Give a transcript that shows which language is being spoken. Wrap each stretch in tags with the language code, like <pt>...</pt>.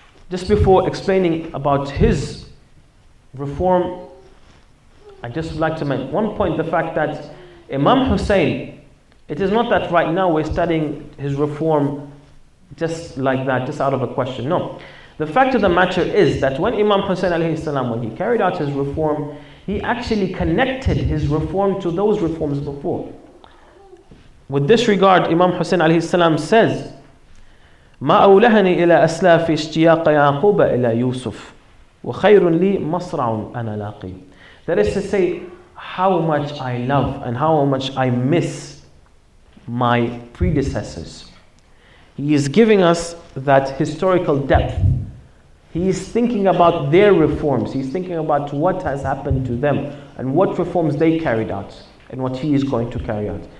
<en>Just before explaining about his reform, I just would like to make one point, the fact that Imam Hussein, it is not that right now we're studying his reform just like that, just out of a question. No. The fact of the matter is that when Imam Hussein alayhi salam, when he carried out his reform, he actually connected his reform to those reforms before.</en> <ar>With this regard, Imam Hussein alayhi salam says, مَا أَوْلَهَنِي إِلَىٰ أَسْلَافِ اشْتِيَاقَ يَعْقُوبَ إِلَىٰ يُوسُفِ وَخَيْرٌ لِي مَصْرَعٌ أَنَا لَاقِي.</ar> <en>That is to say, how much I love and how much I miss my predecessors. He is giving us that historical depth. He is thinking about their reforms. He's thinking about what has happened to them and what reforms they carried out and what he is going to carry out.</en>